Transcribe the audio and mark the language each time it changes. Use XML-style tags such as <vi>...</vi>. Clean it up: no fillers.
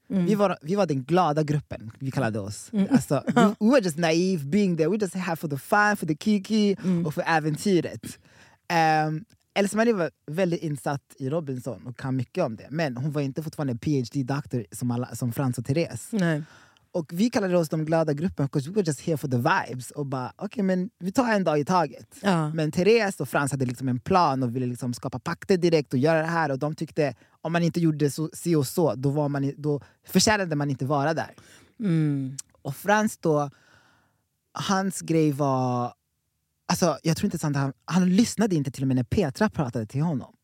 <sv>Mm. Vi var den glada gruppen, vi kallade oss. Mm.</sv> <en>Alltså, we were just naive being there. We just here for the fun, for the kiki</en> <sv>och för äventyret. Else-Marie var väldigt insatt i Robinson och kan mycket om det. Men hon var inte fortfarande PhD-doktor som Frans och Therese. Nej. Och vi kallade oss de glada gruppen</sv> <en>because we were just here for the vibes.</en> <sv>Och bara, okej, men vi tar en dag i taget. Ja. Men Therese och Frans hade liksom en plan och ville liksom skapa pakter direkt och göra det här. Och de tyckte, om man inte gjorde så, si och så, då förtjänade man inte vara där. Mm. Och Frans då, hans grej var, alltså, jag tror inte att han lyssnade inte till och med när Petra pratade till honom.</sv>